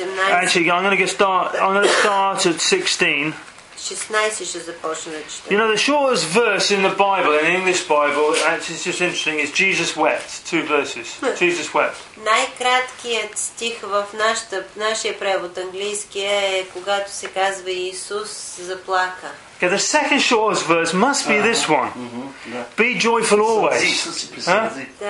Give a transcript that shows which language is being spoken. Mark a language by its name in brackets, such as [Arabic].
[English] Actually, I'm going to start at 16. You know, the shortest verse in the Bible, in the English Bible, actually it's just interesting, is Jesus wept. Two verses. Jesus wept. [Bulgarian] Най-краткият стих в нашия превод английски е когато се казва Исус заплака. [English] Okay, the second shortest verse must be this one. Mm-hmm, yeah. Be joyful always.